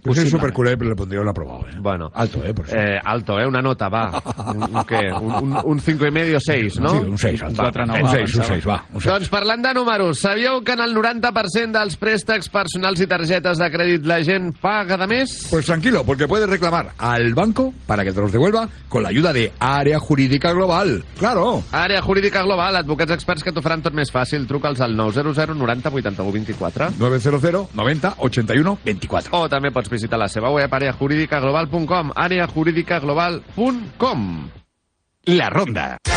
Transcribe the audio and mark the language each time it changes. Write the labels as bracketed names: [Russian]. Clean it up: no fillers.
[Catalan] Jo [Spanish] soy [Catalan] superculer, però li pondria una prova. Bueno, alto, per això. Alto, una nota, va. Un 5,5 o 6, no? Sí, un 6. Un 6. Doncs parlant de números, sabíeu que en el 90% dels préstecs personals i targetes de crèdit la gent paga de més? [Spanish] Pues tranquilo, porque puedes reclamar al banco para que te los devuelva con la ayuda de Área Jurídica Global. Claro. [Catalan] Área Jurídica Global, advocats experts que t'ho faran tot més fàcil. Truca al 900-90-81-24. 900-90-81-24. O també pots visitar la seva web, areajuridicaglobal.com. areajuridicaglobal.com. La Ronda.